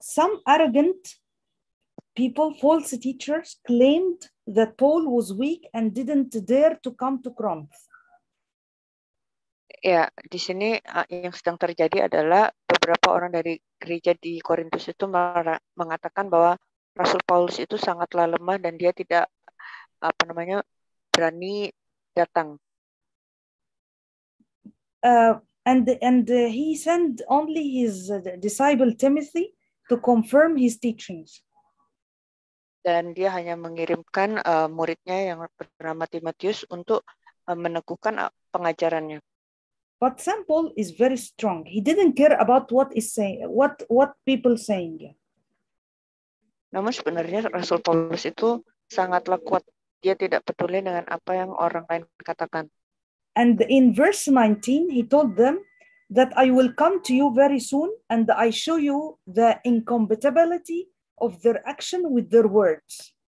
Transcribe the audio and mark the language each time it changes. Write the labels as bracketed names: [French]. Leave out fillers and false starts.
[English] Some arrogant people, false teachers, claimed that Paul was weak and didn't dare to come to Corinth. [Indonesian] Ya, di sini yang sedang terjadi adalah beberapa orang dari gereja di Korintus itu mengatakan bahwa Rasul Paulus itu sangatlah lemah dan dia tidak apa namanya berani datang. [English] And he sent only his disciple Timothy to confirm his teachings. [Indonesian] Dan dia hanya mengirimkan muridnya yang bernama Timotius untuk meneguhkan pengajarannya. [English] But Saint Paul is very strong. He didn't care about what is saying, what people saying. [Indonesian] Namun sebenarnya Rasul Paulus itu sangatlah kuat. Dia tidak peduli dengan apa yang orang lain katakan. [English] And in verse 19, he told them that I will come to you very soon and I show you the incompatibility of their action with their words.